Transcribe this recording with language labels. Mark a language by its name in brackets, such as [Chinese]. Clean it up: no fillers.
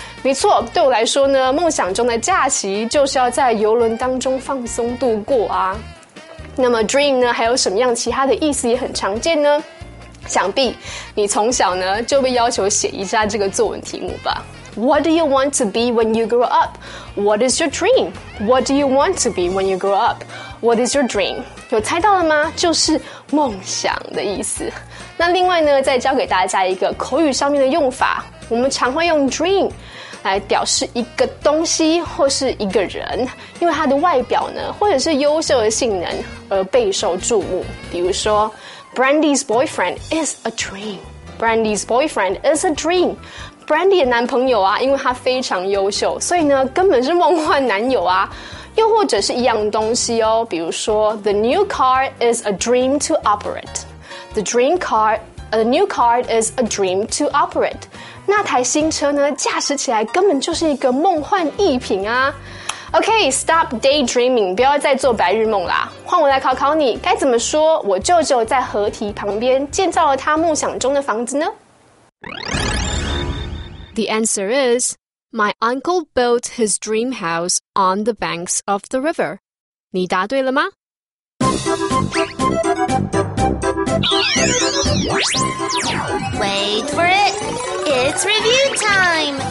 [Chinese] 没错，对我来说呢，梦想中的假期就是要在游轮当中放松度过啊。那么 dream 呢，还有什么样其他的意思也很常见呢？想必你从小呢就被要求写一下这个作文题目吧。 [English] What do you want to be when you grow up? What is your dream? What do you want to be when you grow up? What is your dream? [Chinese] 有猜到了吗？就是梦想的意思。那另外呢，再教给大家一个口语上面的用法。我们常会用 dream 来表示一个东西或是一个人，因为它的外表呢，或者是优秀的性能而备受注目。比如说 [English] Brandy's boyfriend is a dream. Brandy's boyfriend is a dream. [Chinese] Brandy 的男朋友啊，因为他非常优秀，所以呢，根本是梦幻男友啊。又或者是一样东西哦，比如说 [English] The new car is a dream to operate. The new car is a dream to operate. [Chinese] 那台新车呢，驾驶起来根本就是一个梦幻逸品啊。 [English] OK, stop daydreaming, [Chinese] 不要再做白日梦啦。换我来考考你，该怎么说我舅舅在河堤旁边建造了他梦想中的房子呢？ [English] The answer is, my uncle built his dream house on the banks of the river. [Chinese] 你答对了吗？ [English] Wait for it! It's review time!